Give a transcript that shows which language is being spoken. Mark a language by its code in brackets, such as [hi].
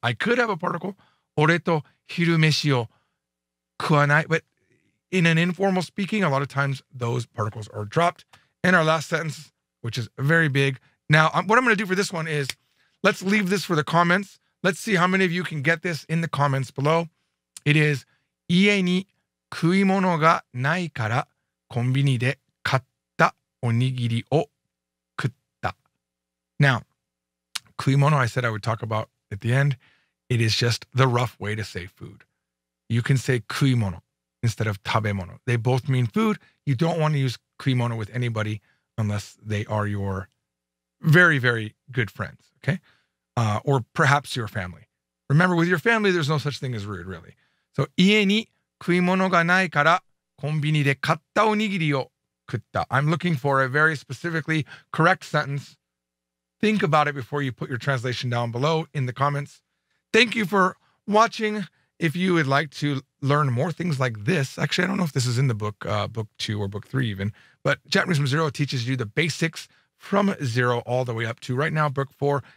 [en] I could have a particle. [ja] 俺と昼飯を食わない? [en] But in an informal speaking, a lot of times those particles are dropped. And our last sentence, which is very big. Now, what I'm going to do for this one is, let's leave this for the comments. Let's see how many of you can get this in the comments below. It is, [ja] 家に食い物がないからコンビニで買ったおにぎりを食った. [en] Now, 食い物, I said I would talk about at the end. It is just the rough way to say food. You can say 食い物 instead of 食べ物.They both mean food. You don't want to use 食い物 with anybody unless they are your very, very good friends, okay? or perhaps your family. Remember, with your family, there's no such thing as rude, really. [ja] So, 家に食い物がないからコンビニで買ったおにぎりを食った。 [en] I'm looking for a very specifically correct sentence. Think about it before you put your translation down below in the comments. Thank you for watching. If you would like to learn more things like this, actually, I don't know if this is in the book, book two or book three even, but Japanese from Zero teaches you the basics from zero all the way up to right now, book four.